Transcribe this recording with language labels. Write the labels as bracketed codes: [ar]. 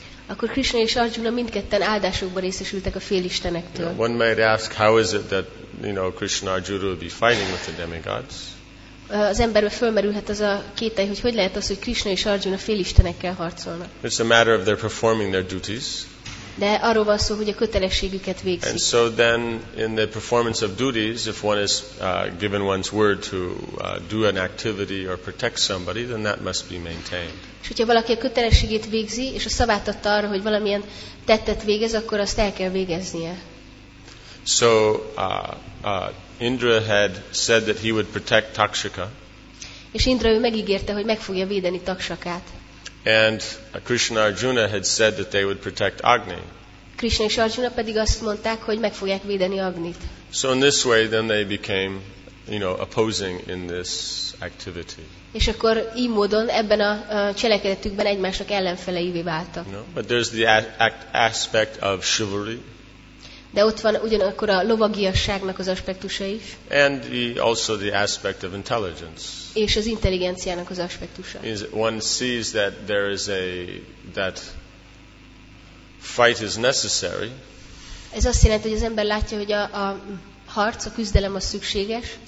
[hu] Akkor Krishna és Arjuna mindketten áldásokban részesültek a félistenektől. [en] One might ask, how is it that, you know, Krishna Arjuna will be fighting with the demigods? [hu] Az emberbe fölmerülhet az a kétely, hogy hogy lehet az, hogy Krishna és Arjuna félistenekkel harcolnak. [en] It's a matter of their performing their duties. [hu] De arról van szó, hogy a kötelességüket végzik. [en] And so then, in the performance of duties, if one is given one's word to do an activity or protect somebody, then that must be maintained. [hu] És hogyha valaki a kötelességét végzi, és a szavát adta arra, hogy valamilyen tettet végez, akkor azt el kell végeznie. [en] So Indra had said that he would protect Takshaka. [hu] És Indra ő megígérte, hogy meg fogja védeni Takshakát. [en] And Krishna Arjuna had said that they would protect Agni. [hu] Krishna és Arjuna pedig azt mondták, hogy meg fogják védeni Agnit. [en] So in this way then they became, you know, opposing in this activity. [hu] És akkor így módon ebben a cselekedetükben egymásnak ellenfeleivé váltak. [en] No, but there's the aspect of chivalry. [hu] De ott van ugyanakkor a lovagiasságnak az aspektusa is. [en] And also the aspect of intelligence. [hu] És az intelligenciának az aspektusa. [en] Is one sees that there is a that fight is necessary. [hu] Ez azt jelenti, hogy az ember látja, hogy a harc, a küzdelem az szükséges.